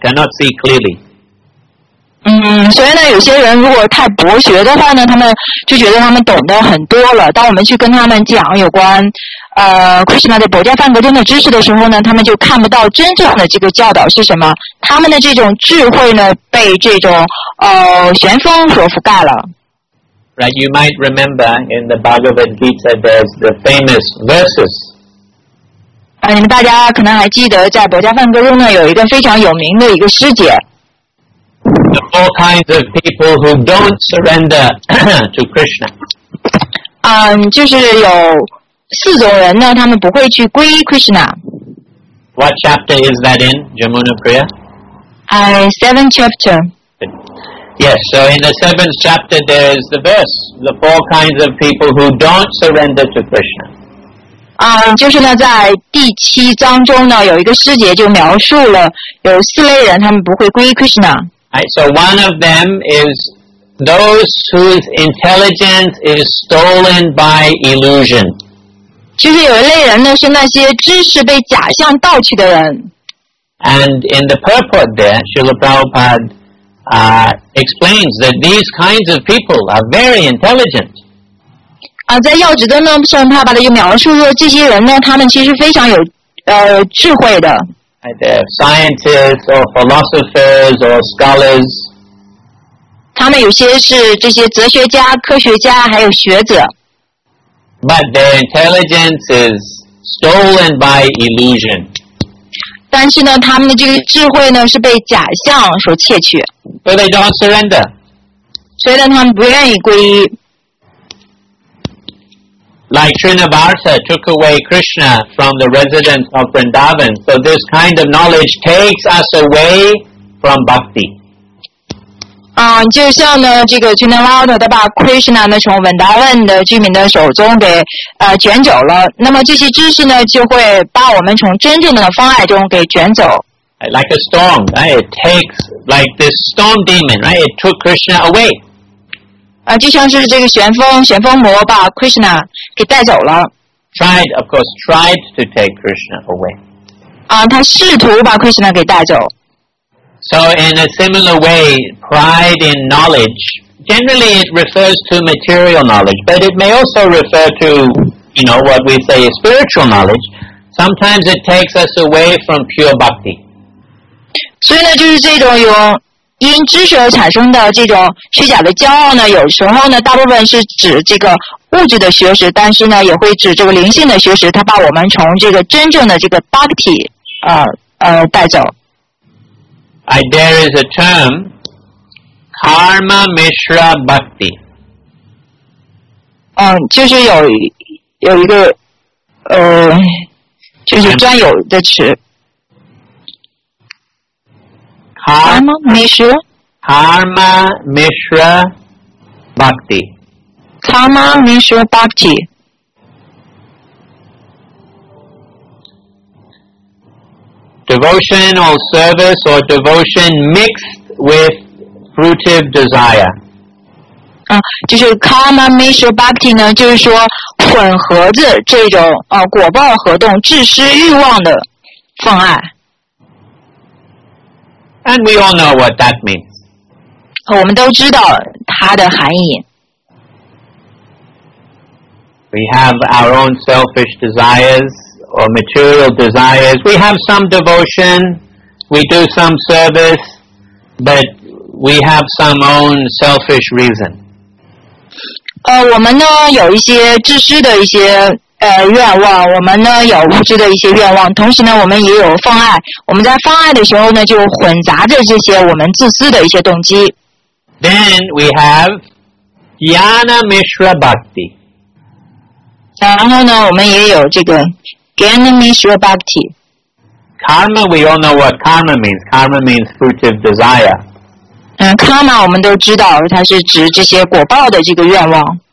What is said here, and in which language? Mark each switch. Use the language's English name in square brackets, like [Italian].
[English] Cannot see clearly. [Chinese] 所以呢有些人如果太博学的话呢他们就觉得他们懂得很多了。当我们去跟他们讲有关Krishna 的博加梵歌中的知识的时候呢他们就看不到真正的这个教导是什么。他们的这种智慧呢被这种旋风所覆盖了。 [English] Right, you might remember in the Bhagavad Gita there's the famous verses. [Chinese] 你们大家可能还记得在博加梵歌中呢有一个非常有名的一个师姐。 [English] The four kinds of people who don't surrender to Krishna. [Chinese] 就是有四种人呢他们不会去皈依 Krishna. [English] What chapter is that in, Jamuna Priya? Seventh chapter. Yes, so in the seventh chapter there is the verse, the four kinds of people who don't surrender to Krishna. [Chinese] 就是呢在第七章中呢有一个师姐就描述了有四类人他们不会皈依 Krishna. [English] Right, so one of them is those whose intelligence is stolen by illusion. [Chinese] 就是有一类人呢是那些知识被假象盗取的人。 [English] And in the purport there, Srila Prabhupada,explains that these kinds of people are very intelligent. [Chinese] 在要旨中呢，圣帕巴的又描述说，这些人呢，他们其实非常有智慧的。 [English] either scientists or philosophers or scholars. [Chinese] 他们有些是这些哲学家、科学家，还有学者。 [English] But their intelligence is stolen by illusion. [Chinese] 但是呢，他们的这个智慧呢，是被假象所窃取。 [English] So they don't surrender. [Chinese] 所以呢，他们不愿意皈依。 [English] Like Trinivasa took away Krishna from the residence of Vrindavan, so this kind of knowledge takes us away from bhakti. [Chinese] 就像呢，这个 Trinivasa 他把 Krishna 呢从 Vrindavan 的居民的手中给卷走了，那么这些知识呢就会把我们从真正的方爱中给卷走。 [English] Like a storm, right? It takes like this storm demon, right? It took Krishna away. [Chinese] 就像是这个旋风魔把 Krishna。给带走了。 [English] Tried, of course, tried to take Krishna away. [Chinese] 他试图把 Krishna 给带走。 [English] So in a similar way, pride in knowledge, generally it refers to material knowledge, but it may also refer to, you know, what we say is spiritual knowledge. Sometimes it takes us away from pure bhakti. [Chinese] 所以呢，就是这种有因知识而产生的这种虚假的骄傲呢，有时候呢，大部分是指这个物质的学识，但是呢，也会指这个灵性的学识，它把我们从这个真正的这个 bhakti 带走。 [English] There is a term, karma mishra bhakti. [Chinese] 就是有一个就是专有的词。 [Sanskrit] Karma mishra. Karma mishra bhakti. Karma Mishra Bhakti. [English] Devotional service or devotion mixed with fruitive desire. [Chinese] 就是 Karma Mishra Bhakti 呢，就是说混合着这种果报活动、自私欲望的妨碍。 [English] And we all know what that means. [Chinese] 我们都知道它的含义。 [English] We have our own selfish desires or material desires. We have some devotion. We do some service. But we have some own selfish reason. [Chinese] 我们呢有一些自私的一些愿望，我们呢有物质的一些愿望，同时呢我们也有妨碍。我们在妨碍的时候呢就混杂着这些我们自私的一些动机。 [English] Then we have Jnana Mishra Bhakti. [Chinese] 然后呢，我们也有这个 Jnana Mishra Bhakti. [English] Karma, we all know what karma means. Karma means fruitive desire. [Chinese] Karma, 我们都知道，它是指这些果报的这个愿望。